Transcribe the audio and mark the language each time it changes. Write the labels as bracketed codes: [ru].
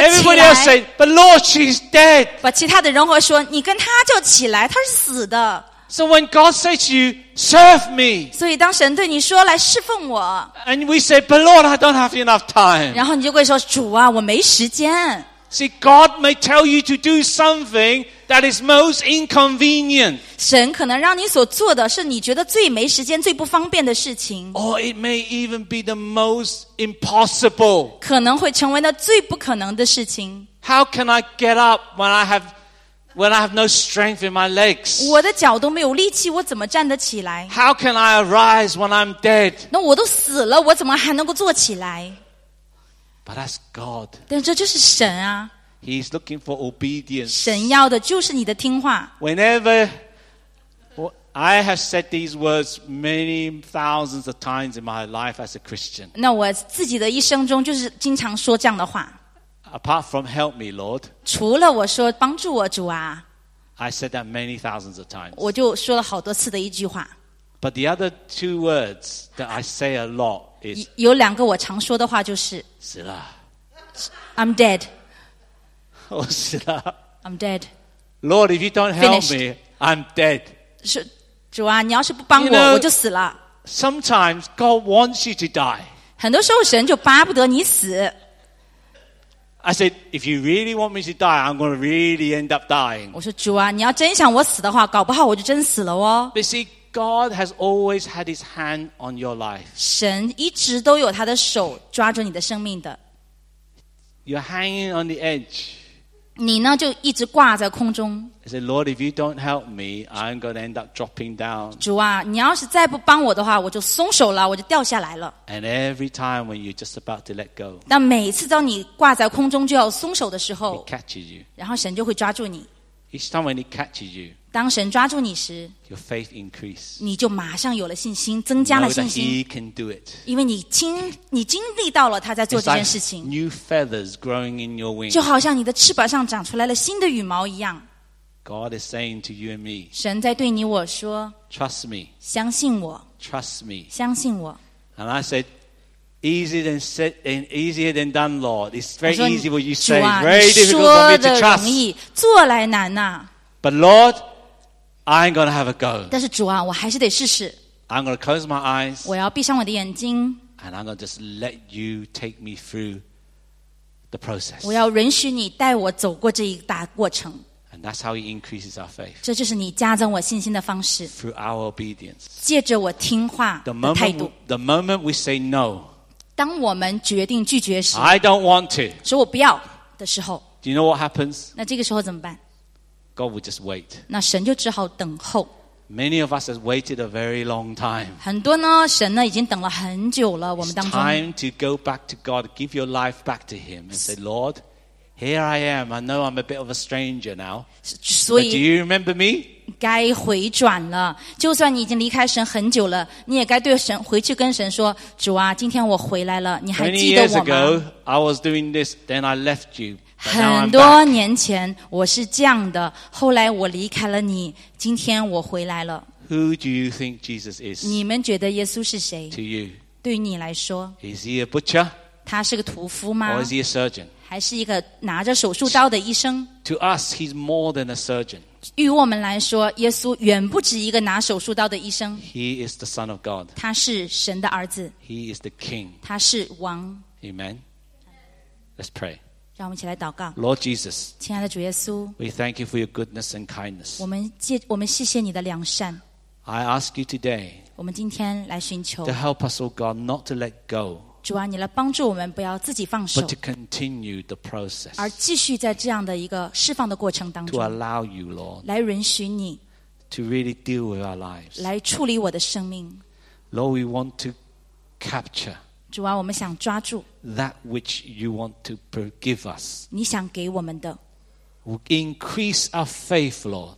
[en] Everybody else say, but Lord, she's dead. [zh] 把其他的人和说你跟她就起来她是死的。 [en] So when God says to you, serve me. [zh] 所以当神对你说来侍奉我。 [en] And we say, but Lord, I don't have enough time. [zh] 然后你就会说主啊我没时间。 [en] See, God may tell you to do something that is most inconvenient. [zh] 神可能让你所做的是你觉得最没时间最不方便的事情。 [en] Or it may even be the most impossible. [zh] 可能会成为那最不可能的事情。 [en] How can I get up when I have no strength in my legs? [zh] 我的脚都没有力气我怎么站得起来 [en] How can I arise when I'm dead? [zh] 那我都死了我怎么还能够坐起来 [en] But that's God. [zh] 但这就是神啊。 [en] He's looking for obedience. [zh] 神要的就是你的听话。 [en] Whenever I have said these words many thousands of times in my life as a Christian. [zh] 那我自己的一生中就是经常说这样的话。 [en] Apart from help me, Lord. [zh] 除了我说帮助我主啊。 [en] I said that many thousands of times. [zh] 我就说了好多次的一句话。 [en] But the other two words that I say a lot is [zh] 有两个我常说的话就是死了 [en] I'm dead [zh] 我死了 [en] I'm dead Lord if you don't help me I'm dead [zh] 是主啊你要是不帮我 [en] you know, [zh] 我就死了 [en] Sometimes God wants you to die [zh] 很多时候神就巴不得你死 [en] I said if you really want me to die I'm going to really end up dying [zh] 我说主啊你要真想我死的话搞不好我就真死了哦 [en] But seeGod has always had his hand on your life. [zh] 神一直都有他的手抓住你的生命的。 [en] You're hanging on the edge. [zh] 你呢就一直挂在空中。 [en] He said, Lord, if you don't help me, I'm going to end up dropping down. [zh] 主啊，你要是再不帮我的话，我就松手了，我就掉下来了。 [en] And every time when you're just about to let go. [zh] 但每次当你挂在空中就要松手的时候 [en] He catches you. [zh] 然后神就会抓住你。 [en] Each time when he catches you, [zh] 当神抓住你时 [en] Your faith increase. [zh] 你就马上有了信心增加了信心 [en] Know that he can do it. [zh] 因为你经历到了他在做这件事情 [en] It's like new feathers growing in your wings. [zh] 就好像你的翅膀上长出来了新的羽毛一样 [en] God is saying to you and me [zh] 神在对你我说 [en] Trust me [zh] 相信我 [en] Trust me [zh] 相信我 [en] And I said easier than done Lord It's very easy what you say Very difficult for me to trust [zh] 容易做来难啊 [en] But LordI'm going to have a go. [zh] 但是主啊，我还是得试试。 [en] I'm going to close my eyes. [zh] 我要闭上我的眼睛。 [en] And I'm going to just let you take me through the process. [zh] 我要允许你带我走过这一大过程。 [en] And that's how he increases our faith. [zh] 这就是你加增我信心的方式。 [en] Through our obedience. [zh] 借着我听话的态度。 [en] The moment we say no. [zh] 当我们决定拒绝时。 [en] I don't want to. [zh] 说我不要的时候。 [en] Do you know what happens? [zh] 那这个时候怎么办？ [en] God will just wait. [zh] 那神就只好等候。 [en] Many of us have waited a very long time. [zh] 很多呢，神呢已经等了很久了。我们当中。 [en] It's time to go back to God, give your life back to Him, and say, Lord, here I am. I know I'm a bit of a stranger now. [zh] 所以 [en] but do you remember me? [zh] 该回转了。就算你已经离开神很久了，你也该对神回去跟神说，主啊，今天我回来了，你还记得我吗？ [en] Many years ago, I was doing this, then I left you. [zh] 很多年前我是这样的后来我离开了你今天我回来了 [en] Who do you think Jesus is? [zh] 你们觉得耶稣是谁 [en] To you [zh] 对你来说 [en] Is he a butcher? [zh] 他是个屠夫吗 [en] Or is he a surgeon? [zh] 还是一个拿着手术刀的医生 [en] To us he's more than a surgeon [zh] 与我们来说耶稣远不止一个拿手术刀的医生 [en] He is the son of God [zh] 他是神的儿子 [en] He is the king [zh] 他是王 [en] Amen Let's pray [zh] 让我们一起来祷告 [en] Lord Jesus [zh] 亲爱的主耶稣 [en] We thank you for your goodness and kindness [zh] 我们谢谢你的良善 [en] I ask you today [zh] 我们今天来寻求 [en] To help us, O God, not to let go [zh] 主啊你来帮助我们不要自己放手 [en] But to continue the process [zh] 而继续在这样的一个释放的过程当中 [en] To allow you, Lord [zh] 来允许你 [en] To really deal with our lives [zh] 来处理我的生命 [en] Lord, we want to capture [zh] 主啊，我们想抓住 [en] that which you want to give us. [zh] 你想给我们的 [en] increase our faith, Lord.